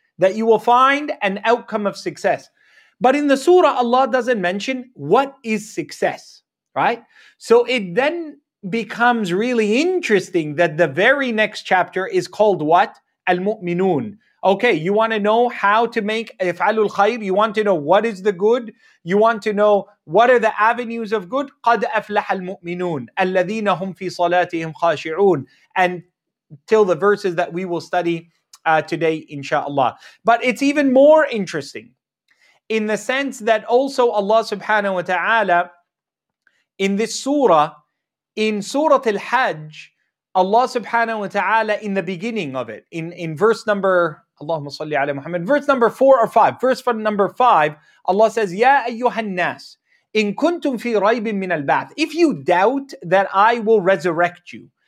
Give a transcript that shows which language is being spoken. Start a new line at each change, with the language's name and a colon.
English: That you will find an outcome of success. But in the surah, Allah doesn't mention what is success, right? So it then becomes really interesting that the very next chapter is called what? Al-Mu'minun. Okay, you want to know how to make
Arabic: افعلوا الخير.
English: You want to know what is the good. You want to know what are the avenues of good.
Arabic: قد أفلح المؤمنون الذين هم في صلاتهم خاشعون.
English: And till the verses that we will study today, inshallah. But it's even more interesting in the sense that also Allah subhanahu wa ta'ala in this surah, in Surah Al-Hajj, Allah subhanahu wa ta'ala in the beginning of it, in verse number,
Arabic: Allahumma salli ala Muhammad,
English: verse number 4 or 5, verse number 5, Allah says,
Arabic: Ya ayyuhan nas, in kuntum fi raybin min al-ba'th,
English: if you doubt that I will resurrect you,